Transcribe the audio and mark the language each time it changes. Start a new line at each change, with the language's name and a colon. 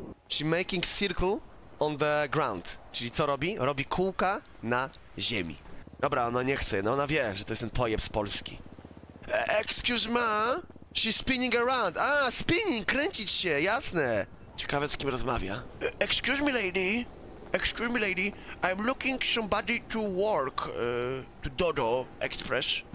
English: She making circle on the ground.
Polish: Czyli co robi? Robi kółka na ziemi. Dobra, ona nie chce. No ona wie, że to jest ten pojeb z Polski.
English: Excuse me. She's spinning around.
Polish: A, spinning, kręcić się, jasne. Ciekawe z kim rozmawia.
English: Excuse me lady. I'm looking somebody to work to Dodo Express.